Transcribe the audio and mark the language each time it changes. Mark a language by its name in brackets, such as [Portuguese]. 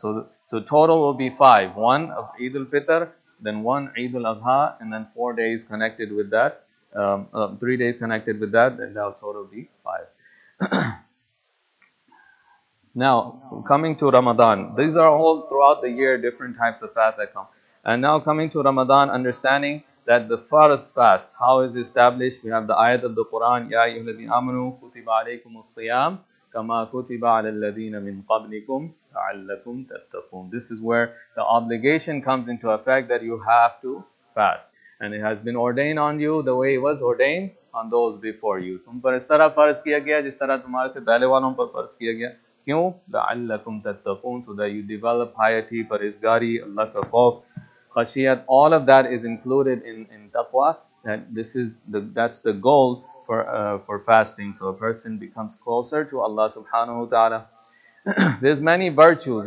[English] So total will be 5. 1 of Eid al-Fitr, then 1 Eid al-Adha, and then 4 days connected with that, 3 days connected with that, and that'll total be 5. Now, coming to Ramadan, these are all throughout the year different types of fast that come. And now coming to Ramadan, understanding that the Fard fast, how is established? We have the ayat of the Quran, [Arabic] يَا أَيُّهَا الَّذِينَ آمَنُوا كُتِبَ عَلَيْكُمُ الصِّيَامُ كَمَا كُتِبَ عَلَى الَّذِينَ مِنْ قَبْلِكُمْ لَعَلَّكُمْ تَتَّقُونَ. [English] This is where the obligation comes into effect, that you have to fast. And it has been ordained on you the way it was ordained on those before you. [Urdu] تم پر اس طرح فرض کیا گیا [English] جس طرح تمہارے سے پہلے والوں پر فرض کیا گیا. [Urdu] کیوں؟ [Arabic] لعلکم تتقون, [English] so that you develop piety, پرہیزگاری, [Urdu] اللہ کا خوف, [English] خشیت, all of that is included in taqwa. That this is that's the goal for fasting. So a person becomes closer to Allah subhanahu wa ta'ala. There's many virtues.